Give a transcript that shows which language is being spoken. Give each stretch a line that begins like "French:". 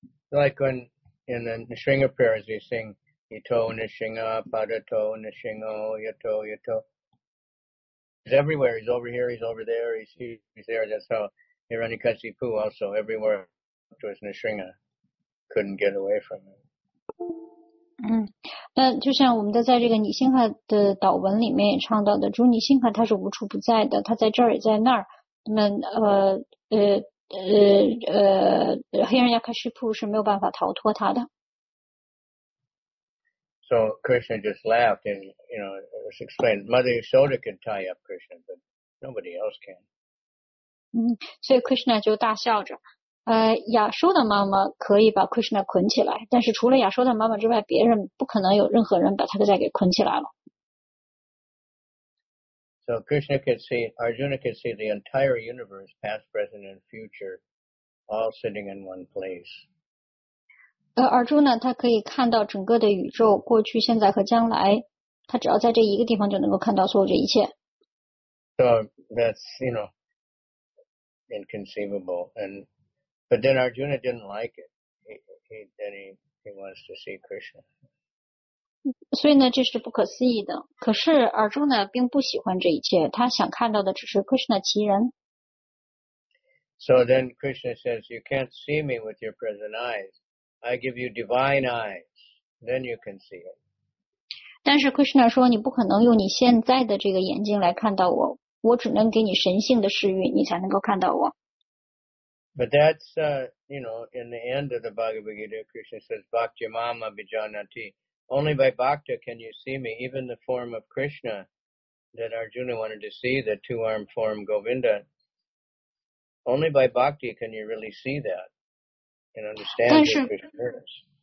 English: Like when. And then the Nisringa prayers, they sing, Yato Nisringa, Padato Nisringo, Yato, Yato. He's everywhere. He's over here. He's over there. He's there. That's how Hiranyakashipu also, everywhere, it was Nisringa. Couldn't get away from him.
Chinese: 嗯，那就像我们的在这个尼辛哈的祷文里面也唱到的，主尼辛哈他是无处不在的，他在这儿也在那儿。那么Hiranyakashipu 是没有办法逃脱他的。
English: So Krishna just laughed and, you know, it was explained, Mother Yashoda can tie up Krishna, but nobody else can.
Chinese: 嗯，所以 Krishna 就大笑着，亚修的妈妈可以把 Krishna 捆起来，但是除了亚修的妈妈之外，别人不可能有任何人把他再给捆起来了。
English: So Krishna could see, Arjuna could see the entire universe, past, present, and future, all sitting in one place.
Chinese: Arjuna, 他可以看到整个的宇宙，过去、现在和将来，他只要在这一个地方就能够看到所有这一切。
English: So that's, you know, inconceivable. But then Arjuna didn't like it. He wants to see Krishna.
Chinese: 所以呢这是不可思议的。可是尔柱呢并不喜欢这一切，他想看到的只是 Krishna 其人。
English: So then Krishna says, you can't see me with your present eyes. I give you divine eyes. Then you can see it.
Chinese: 但是 Krishna 说你不可能用你现在的这个眼睛来看到我，我只能给你神性的视域，你才能够看到我。
English: But that's, you know, in the end of the Bhagavad Gita, Krishna says, Bhakti Mama Bijanati. Only by bhakta can you see me. Even the form of Krishna that Arjuna wanted to see, the two-armed form Govinda, only by bhakti can you really see that and understand what Krishna is.